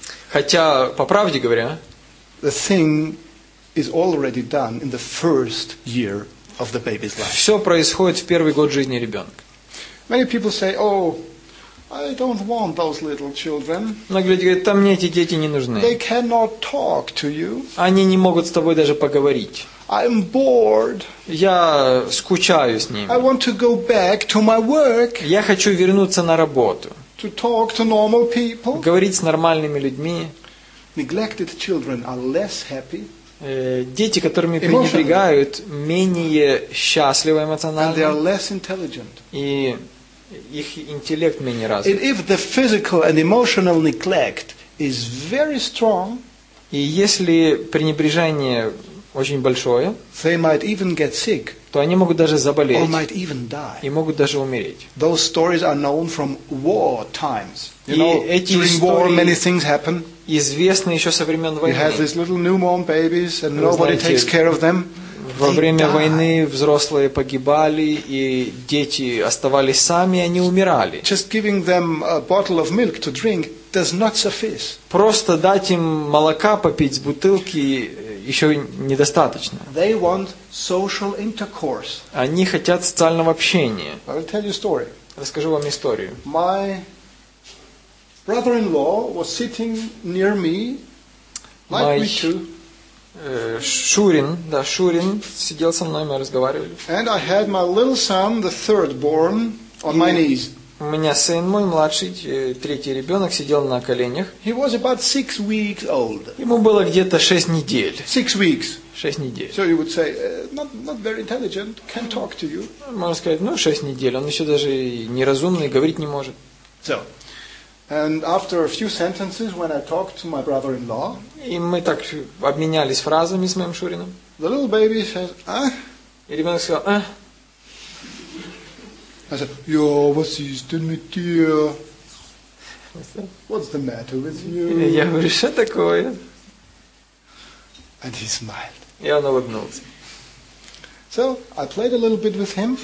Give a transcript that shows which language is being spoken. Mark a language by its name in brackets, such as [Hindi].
[Russian] Хотя, по правде говоря, все происходит в первый год жизни ребенка. Многие люди говорят, о, [English] I don't want those little children. [Russian] Многие люди говорят, там мне эти дети не нужны. [English] They cannot talk to you. [Russian] Они не могут с тобой даже поговорить. [English] I'm bored. [Russian] Я скучаю с ними. [English] I want to go back to my work. [Russian] Я хочу вернуться на работу. [English] To talk to normal people. [Russian] Говорить с нормальными людьми. [English] Neglected children are less happy. [Russian] Дети, которыми пренебрегают, менее счастливы эмоционально. [English] And they are less intelligent. [Russian] И их интеллект менее развит. [English] If the physical and emotional neglect is very strong, [Russian] и если пренебрежение очень большое, [English] they might even get sick, [Russian] то они могут даже заболеть, [English] or might even die. [Russian] И могут даже умереть. [English] Those stories are known from war times. [Russian] И эти [English] during war, many things happen. [Russian] Известны еще со времен войны. [English] You have these little newborn babies, and nobody takes care of them. [Russian] Во время войны взрослые погибали, и дети оставались сами, и они умирали. [English] Just giving them a bottle of milk to drink does not suffice. [Russian] Просто дать им молока попить с бутылки еще недостаточно. [English] They want social intercourse. [Russian] Они хотят социального общения. [English] I'll tell you a story. [Russian] Расскажу вам историю. [English] My brother-in-law was sitting near me, like we two. [Russian] Шурин, да, Шурин сидел со мной, мы разговаривали. [English] And I had my little son, the third born, on my knees. [Russian] У меня сын мой младший, третий ребенок, сидел на коленях. [English] He was about 6 weeks old. [Russian] Ему было где-то 6 недель. [English] 6 weeks. [Russian] 6 недель. [English] So you would say, not very intelligent, can talk to you. [Russian] Можно сказать, ну 6 недель, он еще даже неразумный, говорить не может. [English] So. And after a few sentences, when I talked to my brother-in-law, [Russian] и мы так обменялись фразами с моим Шурином. [English] The little baby says, [Russian] И ребенок сказал, а? [English] I said, yo, what's this, Dmitriy? What's the matter with you? [Russian] Я говорю, что такое? [English] And he smiled. [Russian] И он улыбнулся. [English] So I played a little bit with him.